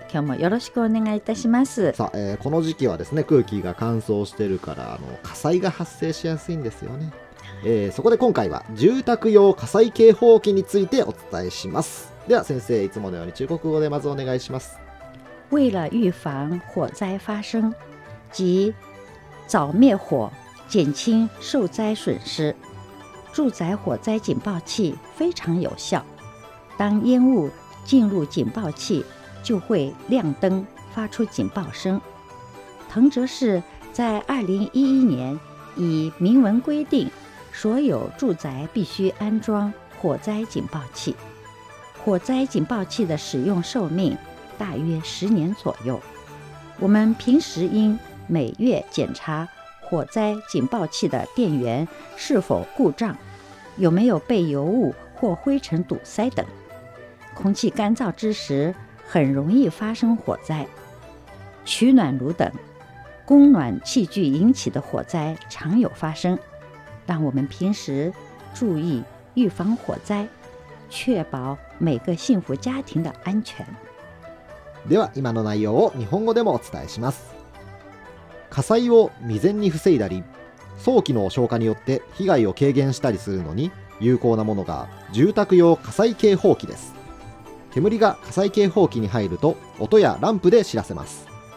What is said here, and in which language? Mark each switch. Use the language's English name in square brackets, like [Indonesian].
[Japanese] 今日もよろしくお願いいたします。さあ、この時期はですね、空気が乾燥してるから火災が発生しやすいんですよね。そこで今回は住宅用火災警報器についてお伝えします。では先生、いつものように中国語でまずお願いします。 [Chinese] 为了预防火灾发生及早灭火减轻受灾损失，住宅火灾警报器非常有效。当烟雾进入警报器，就会亮灯发出警报声。藤泽市在2011年以明文规定，所有住宅必须安装火灾警报器。火灾警报器的使用寿命大约10年左右。我们平时应每月检查火灾警报器的电源是否故障，有没有被油污或灰尘堵塞等。空气干燥之时，很容易发生火灾。取暖炉等供暖器具引起的火灾常有发生，但我们平时注意预防火灾，确保每个幸福家庭的安全。 [Japanese] では今の内容を日本語でもお伝えします。火災を未然に防いだり、早期の消火によって被害を軽減したりするのに有効なものが住宅用火災警報器です。煙が火災警報器に入ると音やランプで知らせます。